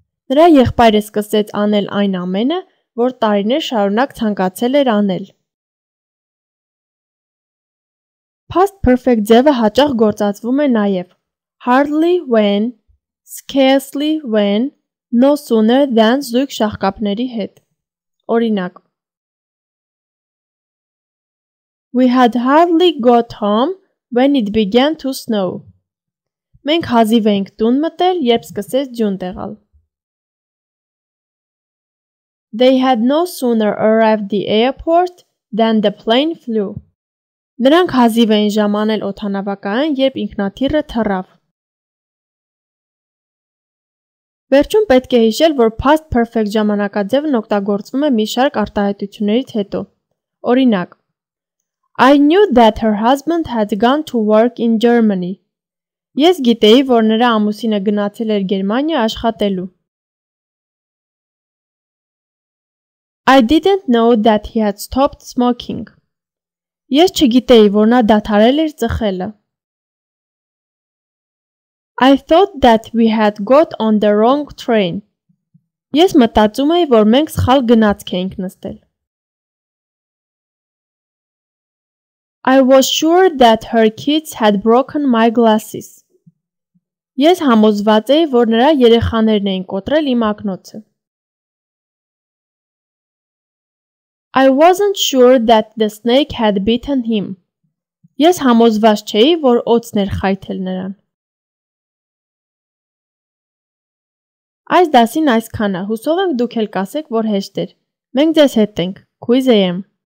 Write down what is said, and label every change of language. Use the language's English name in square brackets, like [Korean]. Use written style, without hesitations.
[Armenian] Նրա եղբայրը սկսեց անել այն ամենը, որ տարիներ շարունակ ցանկացել էր անել։ Past perfect ձևը հաճախ գործածվում է նաև hardly when, scarcely when, no sooner than զույգ շաղկապների հետ։ Օրինակ. [English] We had hardly got home when it began to snow. [Armenian] Մենք հազիվ էինք տուն մտել, երբ սկսեց ջուն տեղալ։ [English] They had no sooner arrived the airport than the plane flew. [Armenian] Նրանք հազիվ էին ժամանել օդանավակայան, երբ ինքնաթիռը թռավ։ Վերջում պետք է հիշել, որ past perfect ժամանակաձևն օգտագործվում է մի շարք արտահայտություններից հետո։ Օրինակ. [English] I knew that her husband had gone to work in Germany. [Armenian] Ես գիտեի, որ նրա ամուսինը գնացել էր Գերմանիա աշխատելու։ [English] I didn't know that he had stopped smoking. [Armenian] Ես չգիտեի, որ նա դադարել էր ծխելը։ [English] I thought that we had got on the wrong train. [Armenian] Ես մտածում էի, որ մենք սխալ գնացք էինք նստել։ [English] I was sure that her kids had broken my glasses. [Armenian] Ես համոզված էի, որ նրա երեխաներն էին կոտրել իմ ակնոցը։ [English] I wasn't sure that the snake had bitten him. [Armenian] Ես համոզված չէի, որ օձն էր խայթել նրան։ Այս դասին այսքանը, հուսով եմ դուք էլ կասեք, որ հեշտ էր։ Մենք ձեզ հետ ենք, quiz.am։